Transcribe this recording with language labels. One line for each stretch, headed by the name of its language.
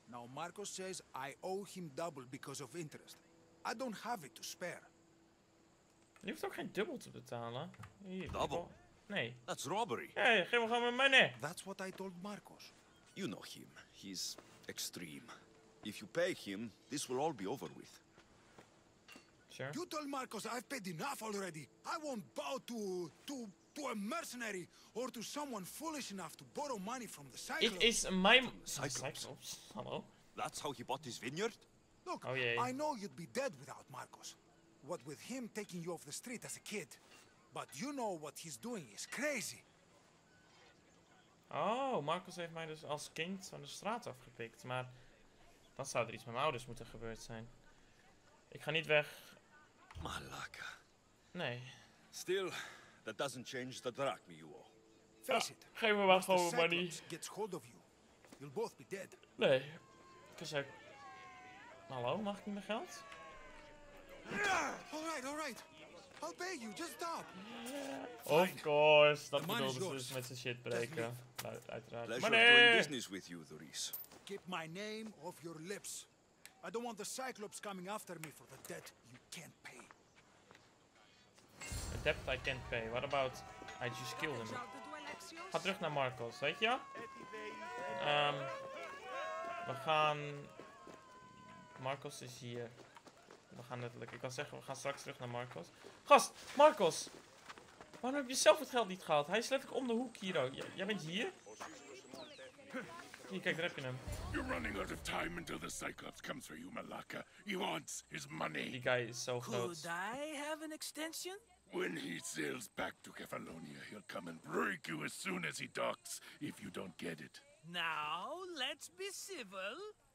English: Now Marcos says I owe him double because of interest. I don't have it to spare.
Dutch: Je hoeft ook geen dubbel te betalen. Hier,
English: double?
Dutch: Nee.
English: That's robbery.
Dutch: Hey, geef me gewoon mijn money.
English: That's what I told Marcos. You know him. He's extreme. If you pay him, this will all be over with. Sure. You tell Marcos I've paid enough already. I won't bow to a mercenary or to someone foolish enough to borrow money from the Cyclops. It is my Cyclops. Hello. That's how he bought his vineyard? Look, oh, yeah. I know you'd be dead without Marcos. What with him taking you off the street as a kid. But you know what he's doing is crazy.
Dutch: Oh, Marcos heeft mij dus als kind van de straat afgepikt. Maar dan zou er iets met mijn ouders moeten gebeurd zijn. Ik ga niet weg.
Greek: Malaka.
Dutch: Nee.
English: Still, that doesn't change the drachma you owe. Face it.
Dutch: Geef me maar gewoon money.
English: If Cyclops gets hold of you, you'll both be dead.
Dutch: Nee. Hallo, mag ik niet meer geld?
English: Alright, alright. I'll pay you, just stop. Yeah.
Dutch: Of course, dat bedoelde ze dus met zijn shit breken. Uiteraard.
English: Pleasure money. Doing business with you, Doris. Keep my name off your lips. I don't want the Cyclops coming after me for the debt you can't pay. A debt I can't pay. What about I just killed him?
Dutch: Ga terug naar Marcos, weet je? We gaan Marcos is hier. We gaan letterlijk. Ik kan zeggen, we gaan straks terug naar Marcos. Gast, Marcos! Waarom heb je zelf het geld niet gehaald? Hij is letterlijk om de hoek hier ook. Jij bent hier? Hier, kijk, daar heb je hem.
English: You're running out of time until the Cyclops comes for you, Malaka. He wants his money.
Dutch: Die guy is zo groot.
English: Could I have an extension? When he sails back to Kefalonia, he'll come and break you as soon as he docks, if you don't get it. Now, let's be civil.